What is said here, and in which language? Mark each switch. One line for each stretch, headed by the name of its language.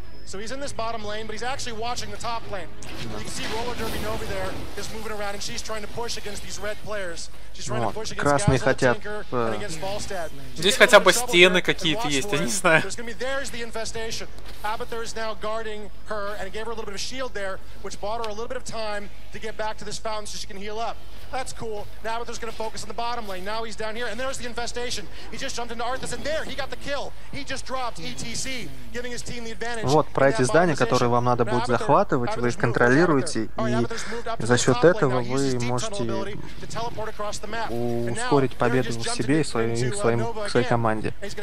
English: So he's in this bottom lane, but he's actually watching the top lane. You can see Roller Derby Novi there is moving around, and she's trying to push against these red players. She's trying to push against Gazza,
Russian: хотят,
English: Tinker, and against Volstead.
Russian: Здесь хотя бы стены какие-то есть, я не знаю.
English: There's going to be, there's the infestation. Abathur is now guarding her, and he gave her a little bit of shield there, which bought her a little bit of time to get back to this fountain so she can heal up. That's cool. Now Abathur's going to focus on the bottom lane. Now he's down here, and there's the infestation. He just jumped into Arthas, and there, he got the kill. He just dropped ETC, giving his team the advantage.
Russian: Вот про эти здания, которые вам надо будет захватывать, вы их контролируете, и за счет этого вы можете ускорить победу себе и своей команде.